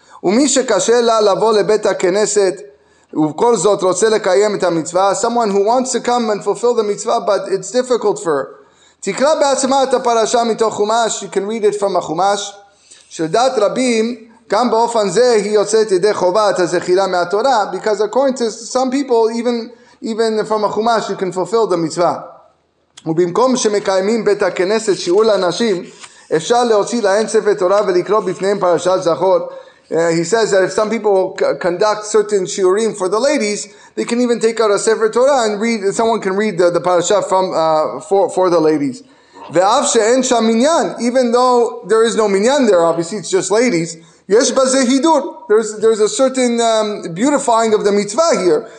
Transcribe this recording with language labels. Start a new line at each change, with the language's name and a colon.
English: Someone who wants to come and fulfill the mitzvah, but it's difficult for her. You can read it from a chumash. Because according to some people, even from a chumash, you can fulfill the mitzvah.
Hebrew: ובמקום שמקיימים בית הכנסת שיעור לאנשים, אפשר להוציא להן ספר תורה ולקרוא בפניהם פרשת זכור.
English: He says that if some people conduct certain shiurim for the ladies, they can even take out a sefer Torah and read. Someone can read the parasha from for the ladies.
Hebrew: Ve'av she'en sham minyan,
English: even though there is no minyan there, obviously it's just ladies.
Hebrew: Yesh baze hidur.
English: There's a certain beautifying of the mitzvah here.